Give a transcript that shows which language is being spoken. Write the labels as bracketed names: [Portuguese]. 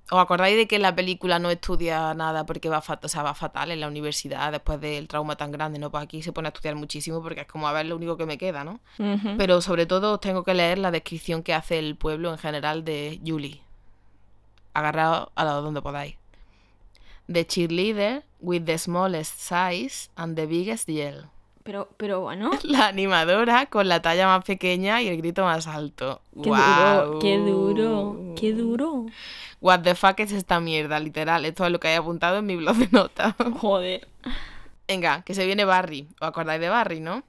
[Spanish] ¿Os acordáis de que en la película no estudia nada porque va fatal en la universidad después del trauma tan grande, ¿no? Pues aquí se pone a estudiar muchísimo porque es como, a ver, lo único que me queda, ¿no? Uh-huh. Pero sobre todo os tengo que leer la descripción que hace el pueblo en general de Julie. Agarrado a lo donde podáis. [English] The cheerleader with the smallest size and the biggest yell. [Spanish] Pero bueno. La animadora con la talla más pequeña y el grito más alto. ¡Qué duro! [English] What the fuck [Spanish] es esta mierda, literal. Esto es lo que he apuntado en mi blog de notas. Joder. Venga, que se viene Barry. ¿Os acordáis de Barry, no?